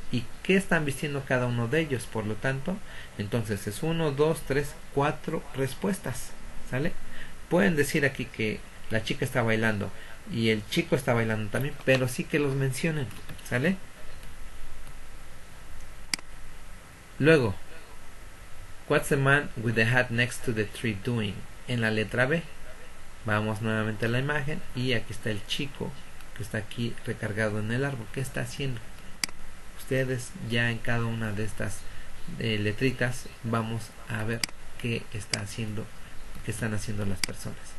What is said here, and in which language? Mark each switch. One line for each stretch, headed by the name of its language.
Spanish: Y qué están vistiendo cada uno de ellos, por lo tanto, entonces es 1, 2, 3, 4 respuestas, ¿sale? Pueden decir aquí que la chica está bailando y el chico está bailando también, pero sí que los mencionen, ¿sale?
English: Luego, what's the man with the hat next to the tree doing?
Spanish: En la letra B, vamos nuevamente a la imagen y aquí está el chico que está aquí recargado en el árbol. ¿Qué está haciendo? Ustedes ya en cada una de estas letritas vamos a ver qué está haciendo, qué están haciendo las personas.